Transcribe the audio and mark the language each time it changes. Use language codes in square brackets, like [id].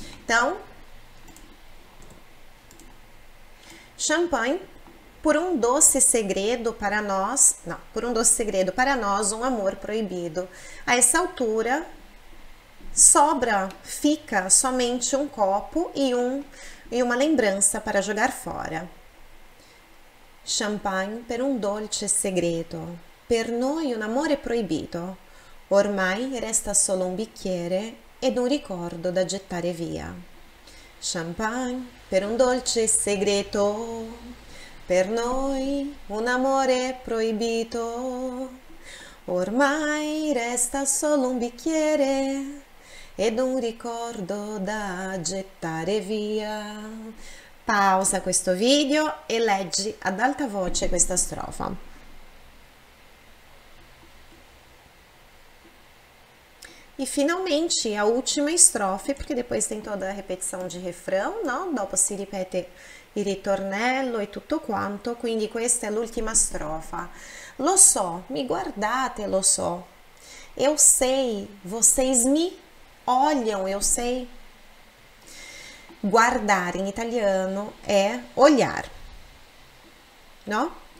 [pt] Então, champanhe por um doce segredo para nós, não, por um doce segredo para nós, um amor proibido. A essa altura, sobra, fica somente um copo e uma lembrança para jogar fora. [it] Champagne per un dolce segreto. Per noi un amore proibito. Ormai resta solo un bicchiere ed un ricordo da gettare via. Champagne per un dolce segreto. Per noi un amore proibito. Ormai resta solo un bicchiere. Ed un ricordo da gettare via. Pausa questo video e leggi ad alta voce questa strofa. [pt] E finalmente a ultima strofe, perché depois tem toda a repetição de refrão, no? [it] Dopo si ripete il ritornello e tutto quanto, quindi questa è l'ultima strofa. Lo so, mi guardate, lo so. [pt] Eu sei, vocês me olham, eu sei. Guardar em italiano é olhar, não?